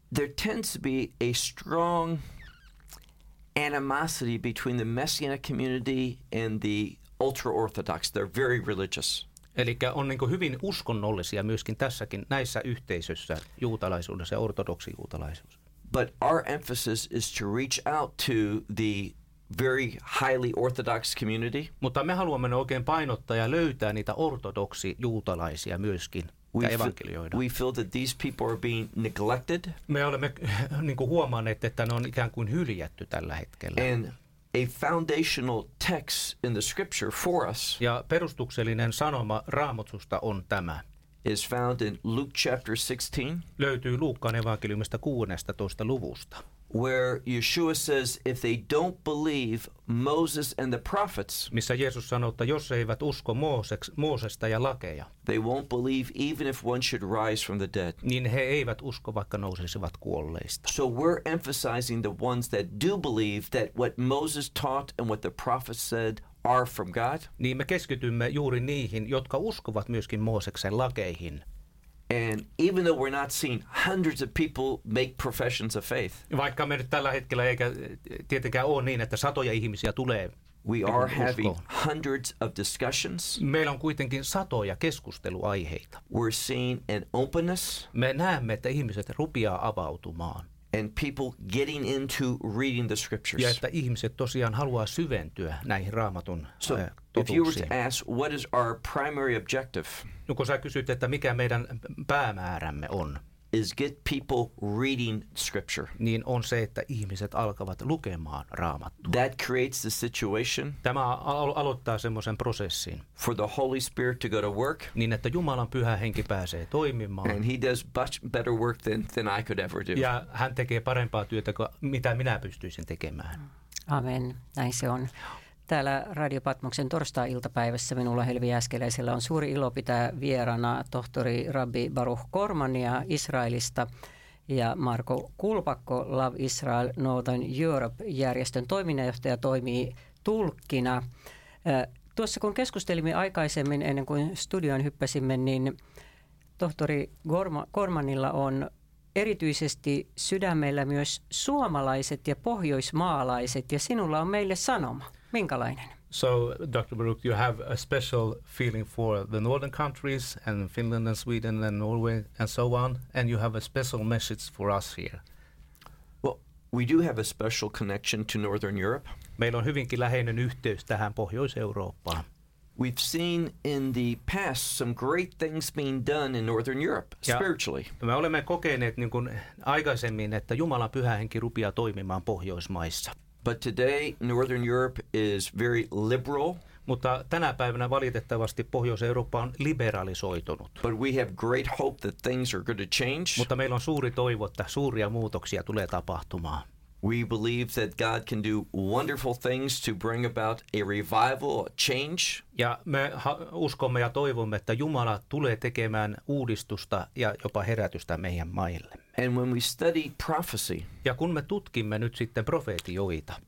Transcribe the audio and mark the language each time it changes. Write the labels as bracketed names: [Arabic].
[English] There tends to be a strong animosity between the messianic community and the ultra-orthodox. They're very religious. [Finnish] Eli on niin kuin hyvin uskonnollisia myöskin tässäkin näissä yhteisöissä juutalaisuudessa ja ortodoksi-juutalaisuus. [English] But our emphasis is to reach out to the very highly orthodox community. [Finnish] Mutta me haluamme oikein painottaa ja löytää niitä ortodoksi juutalaisia myöskin ja evankelioida. [English] We feel that these people are being neglected. [Finnish] Me olemme niinku huomanneet, että ne on ikään kuin hyljätty tällä hetkellä. [English] And a foundational text in the scripture for us. [Finnish] Ja perustuksellinen sanoma Raamatusta on tämä. [English] is found in Luke chapter 16. [Finnish] Löytyy Luukkaan evankeliumista 16. luvusta. [English] Where Yeshua says if they don't believe Moses and the prophets. [Finnish] Missä Jeesus sanoo, että jos eivät usko Moosesta ja lakeja. [English] They won't believe even if one should rise from the dead. [Finnish] Niin he eivät usko vaikka nousisivat kuolleista. [English] So we're emphasizing the ones that do believe that what Moses taught and what the prophets said are from God. [Finnish] Niin me keskitymme juuri niihin, jotka uskovat myöskin Mooseksen lakeihin. [English] And even though we're not seeing hundreds of people make professions of faith. [Finnish] Vaikka me tällä hetkellä eikä tietenkään ole niin, että satoja ihmisiä tulee. [English] We are having hundreds of discussions. [Finnish] Meillä on kuitenkin satoja keskusteluaiheita. [English] We're seeing an openness. [Finnish] Me näemme, että ihmiset rupeaa avautumaan. [English] And people getting into reading the scriptures. [Finnish] Ja että ihmiset tosiaan haluaa syventyä näihin Raamatun totuuksiin. [English] If you were to ask, what is our primary objective? [Finnish] No, kun sä kysyt, että mikä meidän päämäärämme on? [English] Is get people reading scripture. [Finnish] Niin on se, että ihmiset alkavat lukemaan Raamattua. [English] That creates the situation. [Finnish] Tämä aloittaa semmoisen prosessin. [English] For the Holy Spirit to go to work. [Finnish] Niin että Jumalan pyhä henki pääsee toimimaan. [English] And he does much better work than I could ever do. [Finnish] Ja hän tekee parempaa työtä kuin mitä minä pystyisin tekemään. Amen. Näin se on. Täällä Radio Patmoksen torstai-iltapäivässä minulla Helvi Jääskeläisellä on suuri ilo pitää vieraana tohtori Rabbi Baruch Kormania Israelista ja Marko Kulpakko Love Israel Northern Europe-järjestön toiminnanjohtaja toimii tulkkina. Tuossa kun keskustelimme aikaisemmin ennen kuin studioon hyppäsimme, niin tohtori Kormanilla on erityisesti sydämellä myös suomalaiset ja pohjoismaalaiset ja sinulla on meille sanoma. Minkälainen? [English] So, Dr. Baruch, you have a special feeling for the northern countries and Finland and Sweden and Norway and so on, and you have a special message for us here. Well, we do have a special connection to northern Europe. [Finnish] Meillä on hyvinkin läheinen yhteys tähän Pohjois-Eurooppaan. [English] We've seen in the past some great things being done in northern Europe spiritually. [Finnish] Ja me olemme kokeneet niin kuin aikaisemmin, että Jumalan pyhä henki rupeaa toimimaan Pohjoismaissa. [English] But today Northern Europe is very liberal. [Finnish] Mutta tänä päivänä valitettavasti Pohjois-Eurooppa on liberalisoitunut. [English] But we have great hope that things are going to change. [Finnish] Mutta meillä on suuri toivo, että suuria muutoksia tulee tapahtumaan. [English] We believe that God can do wonderful things to bring about a revival, a change. [Finnish] Ja me uskomme ja toivomme, että Jumala tulee tekemään uudistusta ja jopa herätystä meidän maille. [English] And when we study prophecy, [Finnish] ja kun me tutkimme nyt sitten profeetioita,